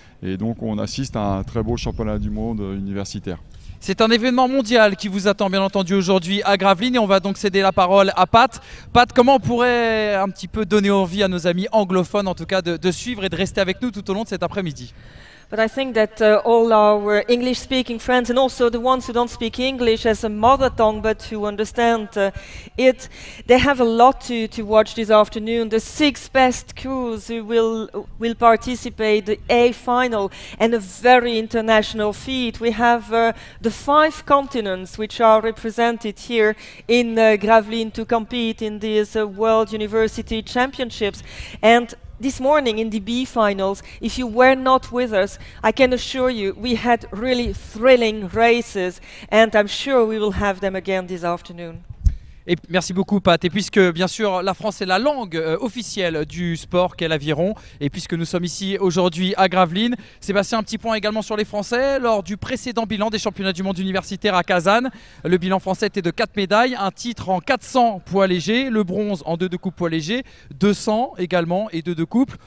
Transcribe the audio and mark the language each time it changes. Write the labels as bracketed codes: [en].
[fr] Et donc, on assiste à un très beau championnat du monde universitaire. C'est un événement mondial qui vous attend bien entendu aujourd'hui à Gravelines et on va donc céder la parole à Pat. Pat, comment on pourrait un petit peu donner envie à nos amis anglophones en tout cas de suivre et de rester avec nous tout au long de cet après-midi? [en] But I think that all our English-speaking friends and also the ones who don't speak English as a mother tongue but who understand it, they have a lot to watch this afternoon. The 6 best crews who will participate the A final and a very international feat. We have the 5 continents which are represented here in Gravelines to compete in these World University Championships. And this morning in the B finals, if you were not with us, I can assure you we had really thrilling races, and I'm sure we will have them again this afternoon. [fr] Et merci beaucoup Pat, et puisque bien sûr la France est la langue officielle du sport qu'est l'aviron, et puisque nous sommes ici aujourd'hui à Gravelines, Sébastien, un petit point également sur les Français. Lors du précédent bilan des championnats du monde universitaire à Kazan, le bilan français était de 4 médailles, un titre en 400 poids légers, le bronze en 2 de coupe poids léger, 200 également et 2 de coupe.